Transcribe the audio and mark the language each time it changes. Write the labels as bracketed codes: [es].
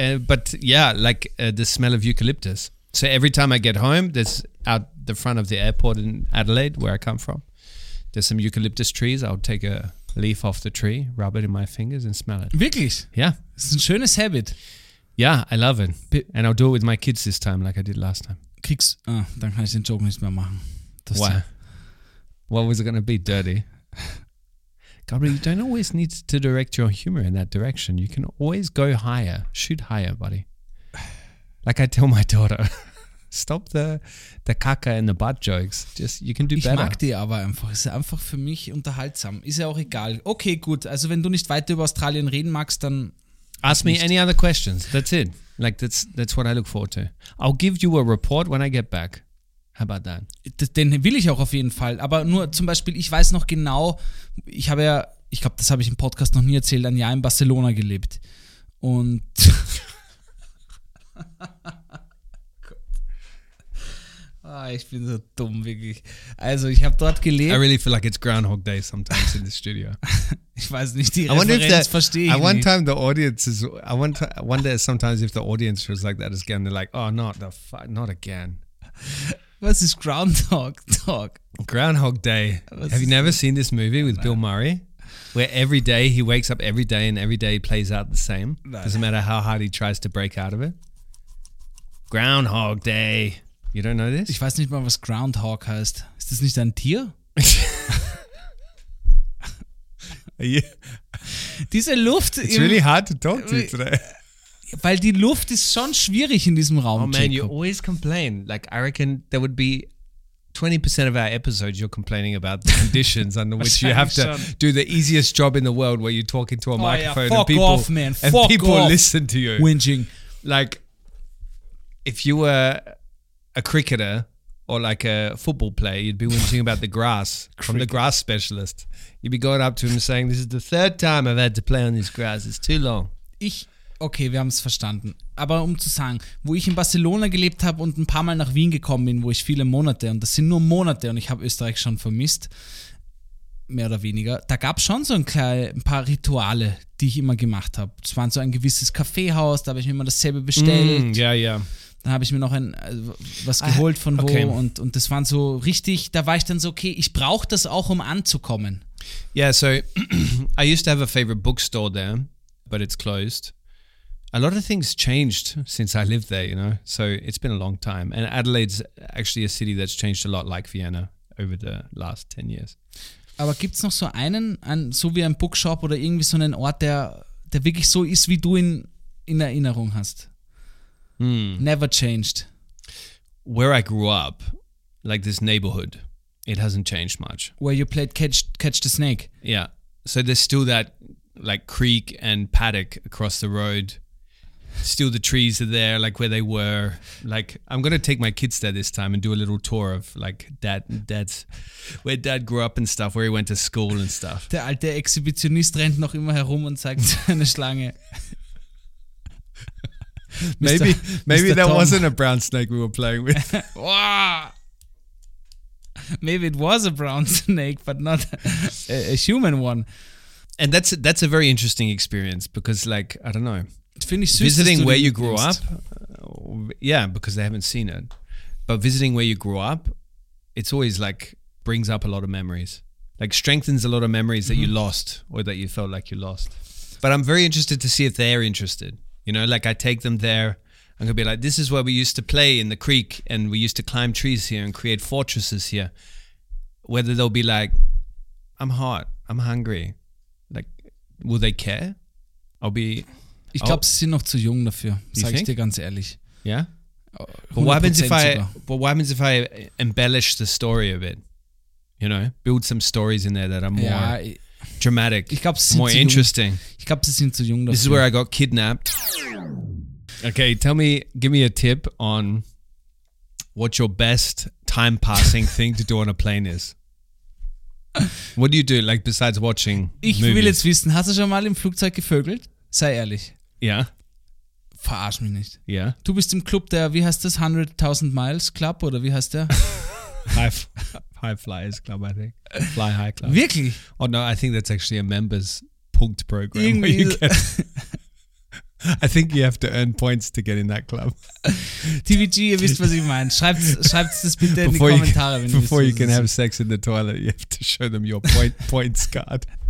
[en] But the smell of eucalyptus. So every time I get home, there's out the front of the airport in Adelaide, where I come from, there's some eucalyptus trees. I'll take a leaf off the tree, rub it in my fingers and smell it. [de] Wirklich? [en] Yeah. It's a [de] schönes [en] habit. Yeah, I love it. And I'll do it with my kids this time, like I did last time. [de] Kriegst, dann kann ich den Joke nicht mehr machen. Das [en] Why? What was it going to be, dirty? Gabriel, you don't always need to direct your humor in that direction. You can always go higher. Shoot higher, buddy. Like I tell my daughter, stop the kaka and the butt jokes. Just you can do [de] ich [en] better. [de] Ich mag die aber einfach. Ist einfach für mich unterhaltsam. Ist ja auch egal. Okay, gut. Also wenn du nicht weiter über Australien reden magst, dann... [en] Ask me any other questions. That's it. Like that's what I look forward to. I'll give you a report when I get back. How about that? [de] Den will ich auch auf jeden Fall. Aber nur zum Beispiel, ich weiß noch genau, ich habe ja, ich glaube, das habe ich im Podcast noch nie erzählt, ein Jahr in Barcelona gelebt. Und ah, ich bin so dumm, wirklich. Also, ich habe dort gelebt. [en] I really feel like it's Groundhog Day sometimes in the studio. [de] Ich weiß nicht, die Referenz verstehe ich nicht. [en] I wonder sometimes if the audience was like that again. They're like, oh, not again. [de] Was ist Groundhog Talk? [en] Groundhog Day. [de] Was [en] Have you never seen this movie with Bill Murray? Where every day, he wakes up every day and every day he plays out the same. [de] Nein. [en] Doesn't matter how hard he tries to break out of it. Groundhog Day. You don't know this? [de] Ich weiß nicht mal, was Groundhog heißt. Ist das nicht ein Tier? Diese Luft... [en] It's really hard to talk to you today. [de] Weil die Luft ist schon schwierig in diesem Raum, [en] Oh man, Jacob. You always complain. Like, I reckon there would be 20% of our episodes you're complaining about the conditions under which you have to do the easiest job in the world where you talk into a microphone yeah. and people listen to you. Whinging. Like, if you were a cricketer or like a football player, you'd be whinging about the grass from the grass specialist. You'd be going up to him saying, this is the third time I've had to play on this grass. It's too long. [de] Okay, wir haben es verstanden. Aber um zu sagen, wo ich in Barcelona gelebt habe und ein paar Mal nach Wien gekommen bin, wo ich viele Monate, und das sind nur Monate, und ich habe Österreich schon vermisst, mehr oder weniger, da gab es schon so ein paar Rituale, die ich immer gemacht habe. Es war so ein gewisses Kaffeehaus, da habe ich mir immer dasselbe bestellt. Ja. Dann habe ich mir noch was geholt von wo. Okay. Und das waren so richtig, da war ich dann so, okay, ich brauche das auch, um anzukommen. [en] Yeah, so I used to have a favorite bookstore there, but it's closed. A lot of things changed since I lived there, you know, so it's been a long time. And Adelaide's actually a city that's changed a lot, like Vienna, over the last 10 years. [de] Aber gibt's noch so einen, so wie ein Bookshop oder irgendwie so einen Ort, der wirklich so ist, wie du ihn in Erinnerung hast? [en] Never changed. Where I grew up, like this neighborhood It hasn't changed much. Where you played catch the snake. Yeah. So there's still that like creek and paddock across the road. Still the trees are there, like where they were. Like I'm going to take my kids there this time and do a little tour of like dad's, where dad grew up and stuff, where he went to school and stuff. [de] Der alte Exhibitionist rennt noch immer herum und zeigt seine Schlange. [en] maybe that wasn't a brown snake we were playing with. Maybe it was a brown snake, but not a human one. And that's a very interesting experience because, like, I don't know. [de] Find ich süß, [en] visiting where you grew up, yeah, because they haven't seen it. But visiting where you grew up, it's always, like, brings up a lot of memories. Like, strengthens a lot of memories that you lost or that you felt like you lost. But I'm very interested to see if they're interested. You know, like, I take them there. I'm going to be like, this is where we used to play in the creek and we used to climb trees here and create fortresses here. Whether they'll be like, I'm hot, I'm hungry. Like, will they care? I'll be... [de] Ich glaube, sie sind noch zu jung dafür, sage ich dir ganz ehrlich. Ja? [en] Yeah? What happens if I embellish the story a bit? You know, build some stories in there that are more dramatic, [de] ich glaub, sie [en] more [de] sind [en] interesting. [de] Ich glaube, sie sind zu jung dafür. [en] This is where I got kidnapped. Okay, tell me, give me a tip on what your best time-passing thing to do on a plane is. What do you do, like, besides watching movies? [de] Ich will jetzt wissen, hast du schon mal im Flugzeug gevögelt? Sei ehrlich. Ja. Verarsch mich nicht. Ja. Du bist im Club der, wie heißt das, 100.000 Miles Club oder wie heißt der? [en] High Flyers Club, I think. Fly High Club. [de] Wirklich? [en] Oh no, I think that's actually a members [de] punkt [en] program. [de] Irgendwie. [en] Where you get... I think you have to earn points to get in that club. [de] TVG, ihr wisst, was ich meine. Schreibt das bitte in die Kommentare. Wenn [en] before you can have sex in the toilet, you have to show them your points card.